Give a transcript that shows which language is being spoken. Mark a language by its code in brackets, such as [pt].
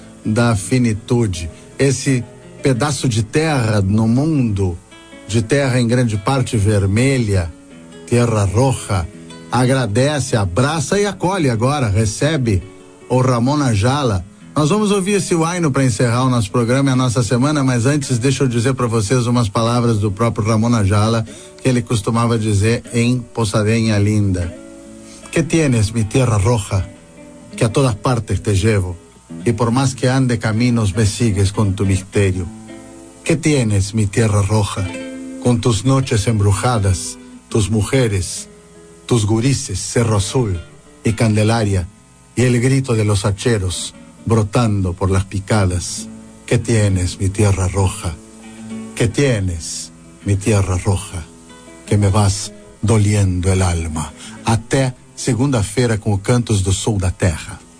[pt] da finitude, esse pedaço de terra no mundo, de terra em grande parte vermelha, terra roja, agradece, abraça e acolhe agora, recebe o Ramon Ajala. Nós vamos ouvir esse huayno para encerrar o nosso programa e a nossa semana, mas antes deixa eu dizer para vocês umas palavras do próprio Ramon Ajala, que ele costumava dizer em Poçadinha Linda. [es] Que tienes, mi tierra roja, que a todas partes te llevo, [pt] e por mais que ande [es] caminos me sigues con tu misterio. Que tienes, mi tierra roja, con tus noches embrujadas, tus mujeres, tus gurises, Cerro Azul y Candelaria, y el grito de los hacheros brotando por las picadas. ¿Qué tienes, mi tierra roja? ¿Qué tienes, mi tierra roja? Que me vas doliendo el alma. [pt] Até segunda-feira com Cantos do Sul da Terra.